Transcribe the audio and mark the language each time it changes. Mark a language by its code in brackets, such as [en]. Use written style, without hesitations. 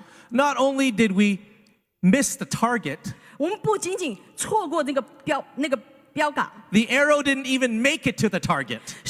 [en] Not only did we miss the target, [zh] 我们不仅仅错过那个标杆, [en] the arrow didn't even make it to the target.